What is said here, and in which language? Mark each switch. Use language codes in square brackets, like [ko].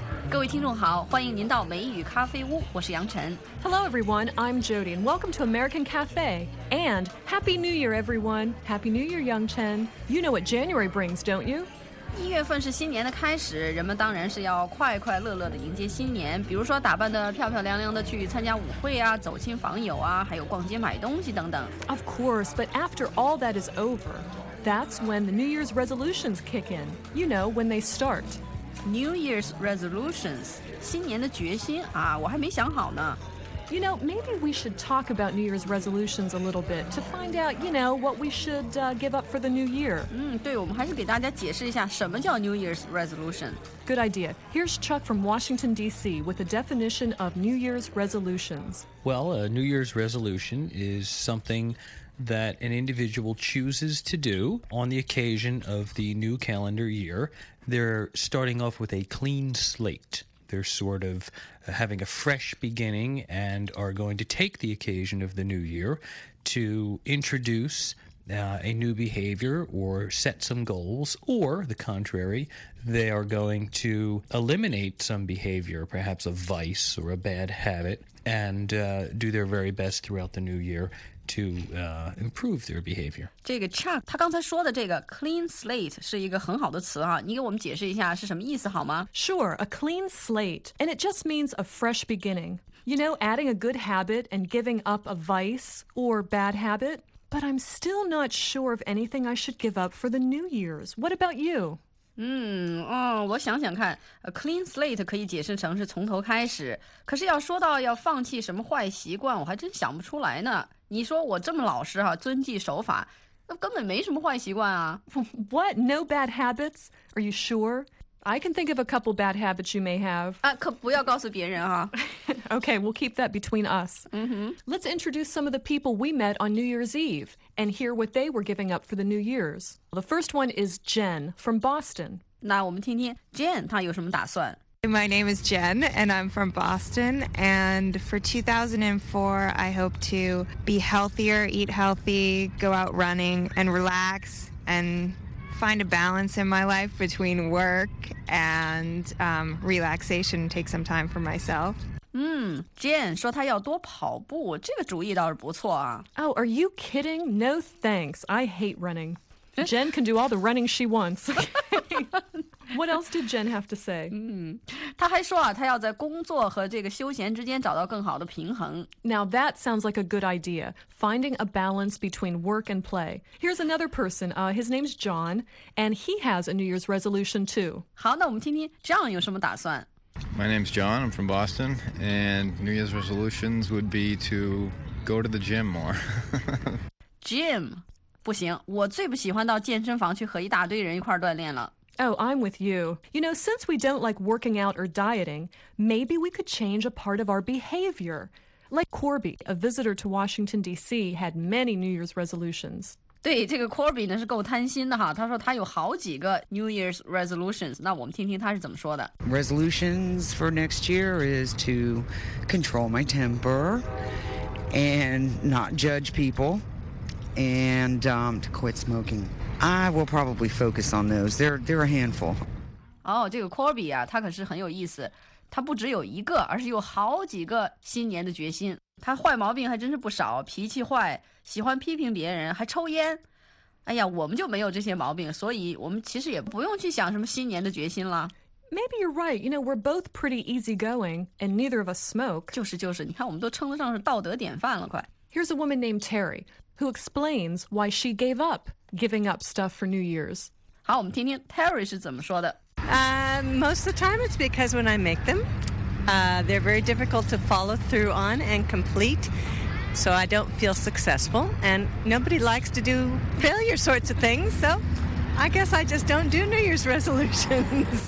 [zh] 各位听众好，欢迎您到美语咖啡屋，我是杨晨。 [en] Hello everyone, I'm Jody, and welcome to American Cafe. And Happy New Year, everyone. Happy New Year, Yang Chen. You know what January brings, don't you? [zh] 一月份是新年的开始，人们当然是要快快乐乐的迎接新年，比如说打扮得漂漂亮亮的去参加舞会啊，走亲访友啊，还有逛街买东西等等。 [en] Of course, but after all that is over, that's when the New Year's resolutions kick in. You know, when they start. [zh] New Year's resolutions, 新年的决心啊，我还没想好呢。 [en] You know, maybe we should talk about New Year's resolutions a little bit to find out, you know, what we should give up for the new year. [zh] 对，我们还是给大家解释一下什么叫 New Year's resolution. [en] Good idea. Here's Chuck from Washington, D.C. with a definition of New Year's resolutions. Well, a New Year's resolution is something that an individual chooses to do on the occasion of the new calendar year. They're starting off with a clean slate. They're sort of having a fresh beginning and are going to take the occasion of the new year to introduce a new behavior or set some goals, or the contrary, they are going to eliminate some behavior, perhaps a vice or a bad habit, and do their very best throughout the new year. To improve their behavior. [zh] 这个 Chuck, 他刚才说的这个 clean slate 是一个很好的词啊，你给我们解释一下是什么意思好吗？ [en] Sure, a clean slate, and it just means a fresh beginning. You know, adding a good habit and giving up a vice or bad habit. But I'm still not sure of anything I should give up for the New Year's. What about you? [zh] 我想想看 ，a clean slate 可以解释成是从头开始。可是要说到要放弃什么坏习惯，我还真想不出来呢。你说我这么老实哈、啊，遵纪守法，那根本没什么坏习惯啊。 [en] What? No bad habits? Are you sure? I can think of a couple bad habits you may have. [zh] 啊，可不要告诉别人啊。 [en] Okay, we'll keep that between us. Mm-hmm. Let's introduce some of the people we met on New Year's Eve and hear what they were giving up for the New Year's. The first one is Jen from Boston. [zh] 那我们听听 Jen 她有什么打算。 [en] My name is Jen, and I'm from Boston. And for 2004, I hope to be healthier, eat healthy, go out running, and relax, and find a balance in my life between work and relaxation, take some time for myself. [zh] Jen 说她要多跑步，这个主意倒是不错啊。 [en] Oh, are you kidding? No thanks. I hate running. Jen can do all the running she wants. What else did Jen have to say? [zh] 她还说啊，她要在工作和这个休闲之间找到更好的平衡。 [en] Now that sounds like a good idea, finding a balance between work and play. Here's another person. His name's John, and he has a New Year's resolution too. [zh] 好，那我们听听 John 有什么打算。 [en] My name's John, I'm from Boston, and New Year's resolutions would be to go to the gym more. Gym? [zh] 不行，我最不喜欢到健身房去和一大堆人一块锻炼了。 [en] Oh, I'm with you. You know, since we don't like working out or dieting, maybe we could change a part of our behavior. Like Corby, a visitor to Washington, D.C., had many New Year's resolutions. [zh] 对这个 Corby 呢是够贪心的哈，他说他有好几个 New Year's resolutions， 那我们听听他是怎么说的。 [en] Resolutions for next year is to control my temper and not judge people and to quit smoking. I will probably focus on those. They're a handful. [zh] 哦，这个 Corby 啊，他可是很有意思，他不只有一个，而是有好几个新年的决心。他坏毛病还真是不少，脾气坏，喜欢批评别人，还抽烟。哎呀，我们就没有这些毛病，所以我们其实也不用去想什么新年的决心了。 [en] Maybe you're right. You know, we're both pretty easygoing, and neither of us smoke. [zh] 就是就是，你看我们都称得上是道德典范了，快。 [en] Here's a woman named Terry, who explains why she gave up giving up stuff for New Year's. [zh] 好，我们听听 Terry 是怎么说的。 [en] Most of the time it's because when I make them,they're very difficult to follow through on and complete, so I don't feel successful, and nobody likes to do failure sorts of things, so I guess I just don't do New Year's resolutions.